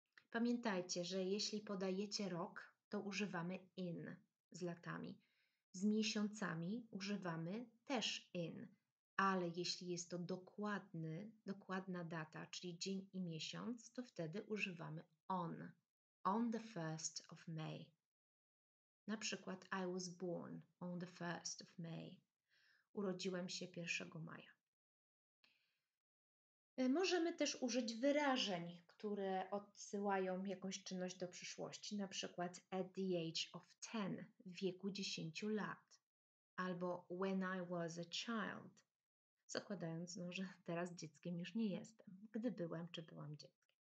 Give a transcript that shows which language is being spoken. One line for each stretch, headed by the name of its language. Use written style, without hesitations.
Polish: Pamiętajcie, że jeśli podajecie rok, to używamy in z latami. Z miesiącami używamy też in, ale jeśli jest to dokładna data, czyli dzień i miesiąc, to wtedy używamy
English: on the 1st of May.
Polish: Na przykład
English: I was born on the 1st of May.
Polish: Urodziłem się 1 maja. Możemy też użyć wyrażeń, które odsyłają jakąś czynność do przyszłości, na przykład
English: at the age of 10,
Polish: w wieku 10 lat, albo
English: when I was a child,
Polish: zakładając, no, że teraz dzieckiem już nie jestem, gdy byłem czy byłam dzieckiem.